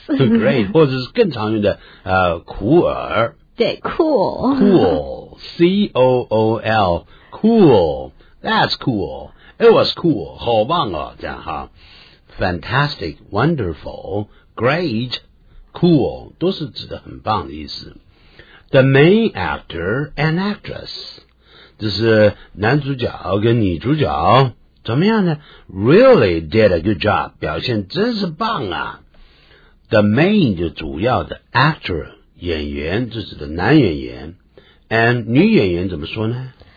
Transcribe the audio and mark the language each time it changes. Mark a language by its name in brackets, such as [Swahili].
[Chinese] great, 或者是更常用的酷儿。对 ，cool。 [English] Cool, C-O-O-L. Cool, that's cool. It was cool. [Chinese] 好棒啊，这样哈。 Fantastic, wonderful, great, cool 都是指的很棒的意思。 [English] The main actor and actress, [Chinese] 这是男主角跟女主角，怎么样呢 [English] ？Really did a good job. [Chinese] 表现真是棒啊。 [English] The main [Chinese] 就主要的 actor 演员，这指的男演员。 And 女演员怎么说呢？